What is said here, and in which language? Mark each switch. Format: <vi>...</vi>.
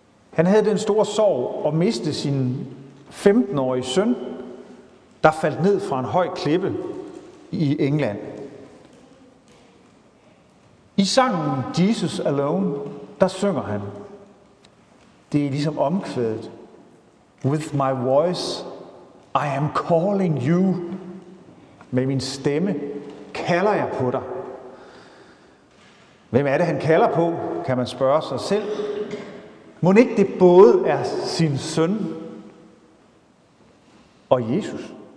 <da>Han havde den store sorg at miste sin 15-årige søn, der faldt ned fra en høj klippe i England. I sangen Jesus Alone, der synger han: Det er ligesom omkvædet.</da> <en>With my voice, I am calling you.</en> <da>Med min stemme kalder jeg på dig. Hvem er det, han kalder på, kan man spørge sig selv. Må ikke det både er sin søn og Jesus?</da>